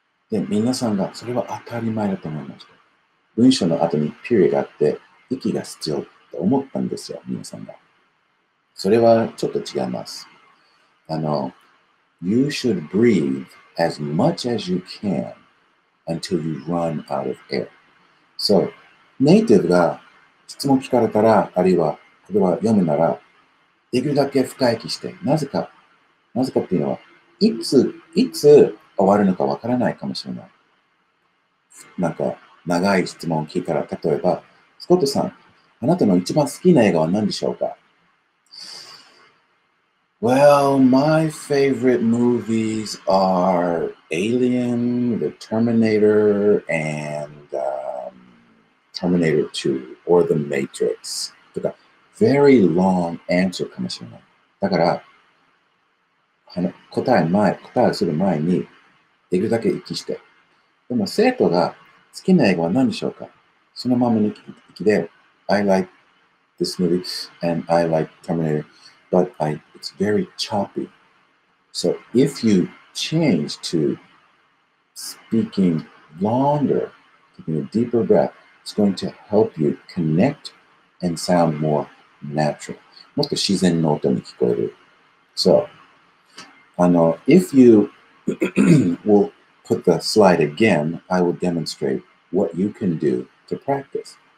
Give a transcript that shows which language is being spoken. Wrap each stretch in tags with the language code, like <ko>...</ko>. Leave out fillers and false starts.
<ja>で、皆さんがそれは当たり前だと思いました。文章の後に period があって息が必要と思ったんですよ、皆さんが。それはちょっと違います。</ja> <en>You should breathe as much as you can. Until you run out of air.</en> <ja>So, native が質問聞かれたら、あるいは言葉読むなら、できるだけ深い息して、なぜかっていうのは、いつ終わるのかわからないかもしれない。なんか長い質問を聞いたら、例えば、スコットさん、あなたの一番好きな映画は何でしょうか？</ja> <en>Well, my favorite movies are Alien, The Terminator, and、Terminator 2 or The Matrix.</en> <ja>とか、</ja> <en>very long answer</en> <ja>かもしれない。だから、答えをする前に、できるだけ息して。でも生徒が好きな映画は何でしょうか？そのままに行きで、</ja> <en>I like this movie and I like Terminator, but it's very choppy. So if you change to speaking longer, taking a deeper breath, it's going to help you connect and sound more natural.</en> <ja>もっと自然の音に聞こえる。</ja> <en>So, if you will put the slide again, I will demonstrate what you can do to practice.</en>